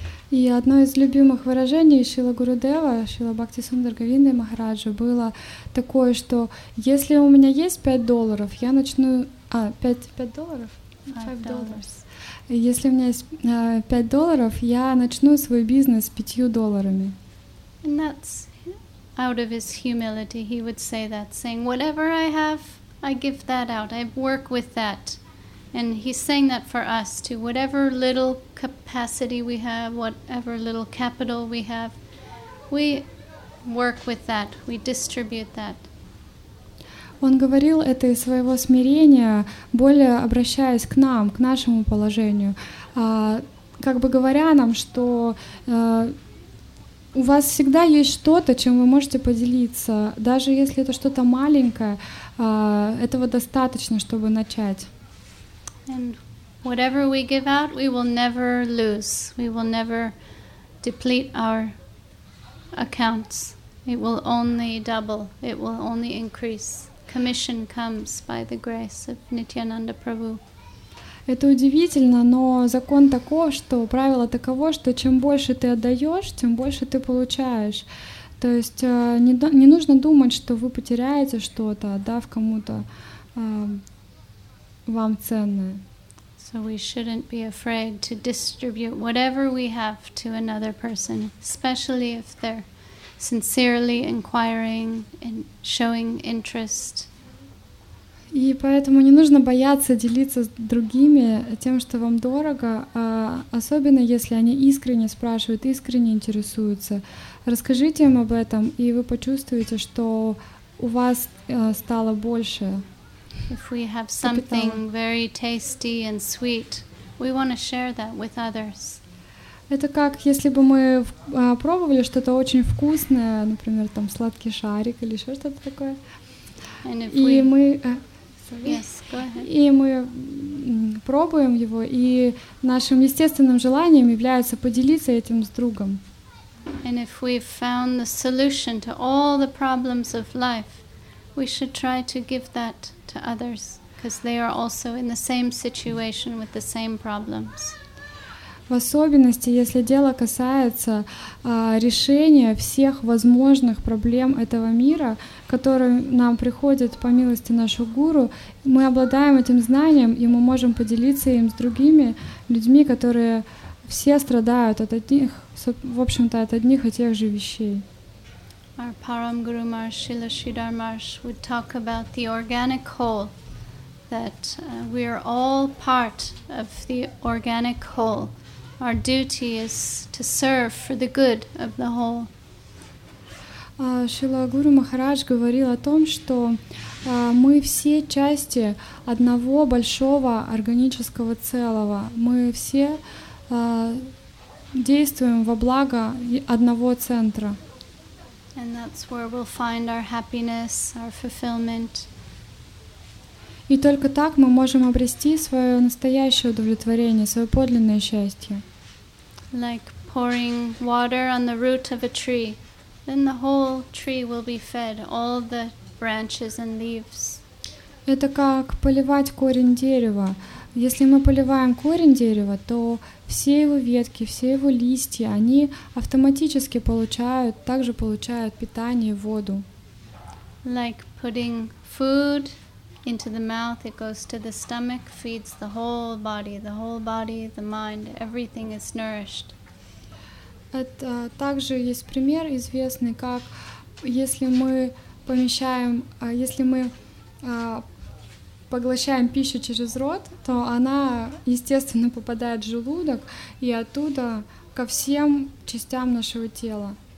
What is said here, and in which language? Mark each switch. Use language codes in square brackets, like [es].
[ru] И одно из любимых выражений Шрила Гурудева, Шрила Бхакти Сундар Говинды Махараджа было такое, что если у меня есть $5, я начну... $5? $5. Если у меня есть $5, я начну свой бизнес с $5. [en] And that's out of his humility, he would say that, saying, whatever I have, I give that out, I work with that. And he's saying that for us too, whatever little capacity we have, whatever little capital we have, we work with that, we distribute that. [ru] Он говорил это из своего смирения, более обращаясь к нам, к нашему положению, как бы говоря нам, что у вас всегда есть что-то, чем вы можете поделиться, даже если это что-то маленькое, этого достаточно, чтобы начать. [en] And whatever we give out, we will never lose. We will never deplete our accounts. It will only double, it will only increase. Commission comes by the grace of Nityananda Prabhu. [ru] Это удивительно, но закон таков, что правило таково, что чем больше ты отдаешь, тем больше ты получаешь. То есть не нужно думать, что вы потеряете что-то, отдав кому-то вам ценное. [en] So we shouldn't be afraid to distribute whatever we have to another person, especially if they're sincerely inquiring and showing interest. [ru] И поэтому не нужно бояться делиться с другими тем, что вам дорого, особенно если они искренне спрашивают, искренне интересуются. Расскажите им об этом, и вы почувствуете, что у вас стало больше. [en] If we have something very tasty and sweet, we want to share that with others. [ru] Это как если бы мы пробовали что-то очень вкусное, например, там сладкий шарик или еще что-то такое. И мы пробуем его, и нашим естественным желанием является поделиться этим с другом. [en] And if we've found the solution to all the problems of life, we should try to give that to others, because they are also in the same situation with the same problems. [ru] В особенности, если дело касается решения всех возможных проблем этого мира, которые нам приходят по милости нашего гуру, мы обладаем этим знанием, и мы можем поделиться им с другими людьми, которые все страдают от одних, в общем-то, от одних и тех же вещей. [en] Our Param Guru Maharaj Srila Sridhar Maharaj would talk about the organic whole, that we are all part of the organic whole. Our duty is to serve for the good of the whole. [ru] Шрила Гуру Махарадж говорил о том, что мы все части одного большого органического целого. Мы все действуем во благо одного центра. [en] And that's where we'll find our happiness, our fulfillment. [ru] И только так мы можем обрести свое настоящее удовлетворение, свое подлинное счастье. [en] Like pouring water on the root of a tree, then the whole tree will be fed, all the branches and leaves. [ru] Это как поливать корень дерева. Если мы поливаем корень дерева, то все его ветки, все его листья, они автоматически получают, также получают питание и воду. [en] Like putting food into the mouth, it goes to the stomach, feeds the whole body, the mind, everything is nourished. [ru] Это также есть пример известный, как если мы помещаем, если мы поглощаем пищу через рот, то она, естественно, попадает в желудок и оттуда ко всем частям нашего тела.